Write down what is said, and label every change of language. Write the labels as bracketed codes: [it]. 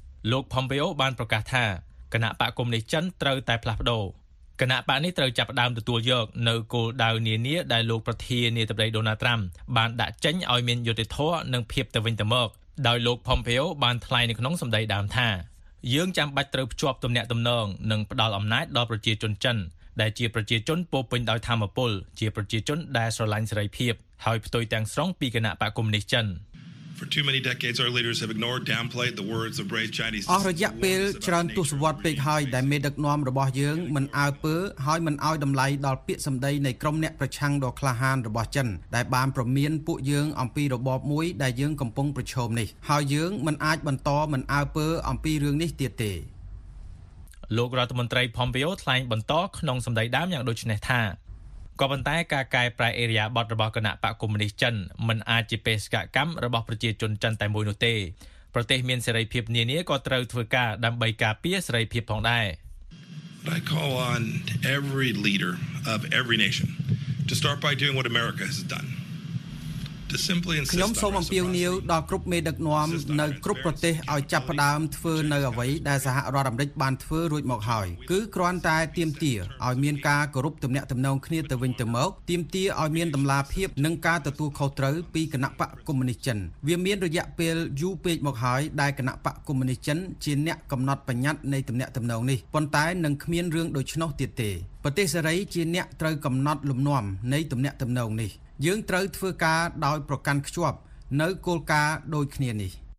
[km] លោកផុំពេអូបានប្រកាសថាគណៈបកកុម្មុយនីសចិនត្រូវតែផ្លាស់ប្ដូរគណៈបកនេះត្រូវចាប់ផ្ដើមទទួលយកនៅគោលដៅនានាដែលលោកប្រធានាធិបតីដូណាល់ត្រាំបានដាក់ចេញឲ្យមានយុត្តិធម៌និងភាពទៅវិញទៅមកដោយលោកផុំពេអូបានថ្លែងនៅក្នុងសម្ដីដើមថាយើងចាំបាច់ត្រូវភ្ជាប់ទំនាក់ទំនងនិងផ្ដល់អំណាចដល់ប្រជាជនចិនដែលជាប្រជាជនពោពេញដោយធម្មពលជាប្រជាជនដែលស្រឡាញ់សេរីភាពហើយផ្ទុយទាំងស្រុងពីគណៈបកកុម្មុយនីសចិន [en] For too many decades our leaders have ignored downplayed the words of brave Chinese [km] អរយៈពេលច្រើនទស្សវត្សពេកហើយដែលមេដឹកនាំរបស់យើងមិនអើពើហើយមិនឲ្យតម្លៃដល់ពាក្យសម្ដីនៃក្រុមអ្នកប្រឆាំងដ៏ក្លាហានរបស់ចិនដែលបានប្រមានពួកយើងអំពីរបបមួយដែលយើងកំពុងប្រឈមនេះហើយយើងមិនអាចបន្តមិនអើពើអំពីរឿងនេះទៀតទេ លោករដ្ឋមន្ត្រីផុំពីអូថ្លែងបន្តក្នុងសម្ដីដើមយ៉ាងដូចនេះថាក៏ប៉ុន្តែការកែប្រែអេរីយ៉ាបតរបស់គណៈបកកុម្មុយនីសចិនមិនអាចជាបេសកកម្មរបស់ប្រជាជនចិនតែមួយនោះទេប្រទេសមានសេរីភាពនានាក៏ត្រូវធ្វើការដើម្បីការពារសេរីភាពផងដែរ [en] I call on every leader of every nation to start by doing what America has done to simply insist [km] ខ្ញុំសូមអំពាវនាវដល់គ្រប់មេដឹកនាំនៅគ្រប់ប្រទេសឲ្យចាប់ផ្ដើមធ្វើនៅអ្វីដែលសហរដ្ឋអាមេរិកបានធ្វើរួចមកហើយគឺគ្រាន់តែទៀមទា ឲ្យមានការគោរពទំនាក់ទំនងគ្នាទៅវិញទៅមកទៀមទាឲ្យមានតម្លាភាពនិងការទទួលខុសត្រូវពីគណៈបកកុម្មុយនីសចិនវាមានរយៈពេលយូរពេកមកហើយដែលគណៈបកកុម្មុយនីសចិនជាអ្នកកំណត់បញ្ញត្តិនៃទំនាក់ទំនងនេះប៉ុន្តែនឹងគ្មានរឿងដូច្នោះទៀតទេប្រទេសសេរីជាអ្នកត្រូវកំណត់លំនាំនៃទំនាក់ទំនងនេះយើងត្រូវធ្វើការដោយប្រកាន់ខ្ជាប់នៅគោលការណ៍ដូចគ្នានេះ